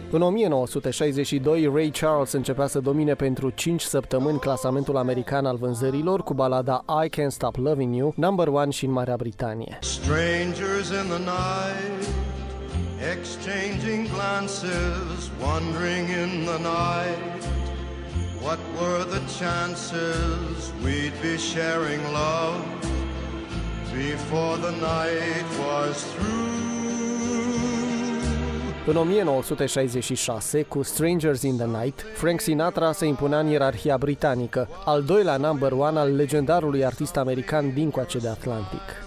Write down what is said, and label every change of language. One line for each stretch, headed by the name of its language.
Romanian: În 1962, Ray Charles începea să domine pentru 5 săptămâni clasamentul american al vânzărilor cu balada I Can't Stop Loving You, number 1 și în Marea Britanie.
English: Strangers in the night, exchanging glances, wondering in the night, what were the chances we'd be sharing love before the night was through.
Romanian: În 1966, cu Strangers in the Night, Frank Sinatra se impunea în ierarhia britanică, al doilea number one al legendarului artist american dincoace de Atlantic.